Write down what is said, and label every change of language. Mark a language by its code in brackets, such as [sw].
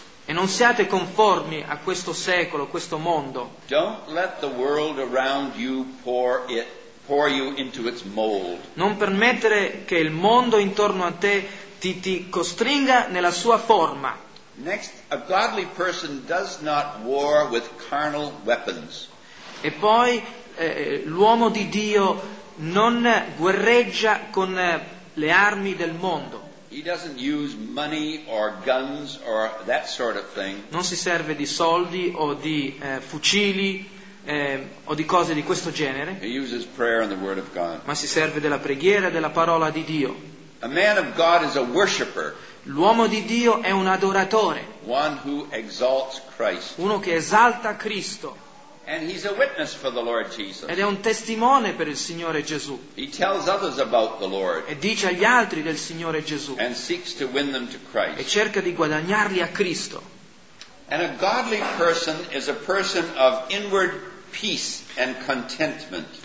[it] E non siate conformi a questo secolo, a questo mondo. [en] Don't let the world around you pour you into its mold. [it] Non permettere che il mondo intorno a te ti costringa nella sua forma. [en] Next, a godly person does not war with carnal weapons. [it] E poi l'uomo di Dio non guerreggia con le armi del mondo. [en] He doesn't use money or guns or that sort of thing. [it] Non si serve di soldi o di fucili o di cose di questo genere. [en] He uses prayer and the word of God. [it] Ma si serve della preghiera e della parola di Dio. [en] A man of God is a worshipper. [it] L'uomo di Dio è un adoratore. [en] One who exalts Christ. [it] Uno che esalta Cristo. [en] And he's a witness for the Lord Jesus. [it] Ed è un testimone per il Signore Gesù. [en] He tells others about the Lord. [it] E dice agli altri del Signore Gesù. [en] And seeks to win them to Christ. [it] E cerca di guadagnarli a Cristo. [en] And a godly person is a person of inward peace and contentment.